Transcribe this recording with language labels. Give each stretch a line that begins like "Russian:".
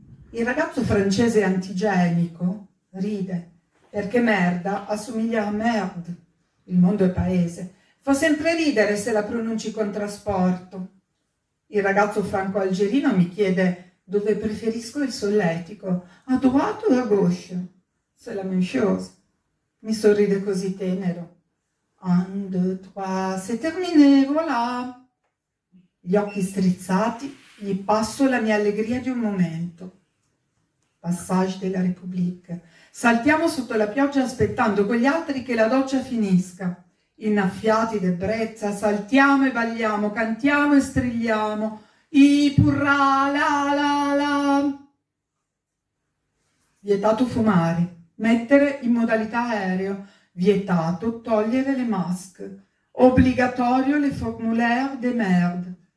Italian: Il ragazzo francese antigenico ride perché merda assomiglia a merde. Il mondo è paese. Fa sempre ridere se la pronunci con trasporto. Il ragazzo franco-algerino mi chiede dove preferisco il solletico,
French: a droite
Italian: o
French: a gauche? C'est la même chose.
Italian: Mi sorride così tenero.
French: Un, deux, trois, c'est terminé, voilà.
Italian: Gli occhi strizzati, gli passo la mia allegria di un momento.
French: Passage de la République.
Italian: Saltiamo sotto la pioggia aspettando con gli altri che la doccia finisca. Innaffiati d'ebbrezza, saltiamo e balliamo, cantiamo e strilliamo. I purra la la la. Vietato fumare, mettere in modalità aereo, vietato togliere le mask, obbligatorio
French: le formulaire de merde.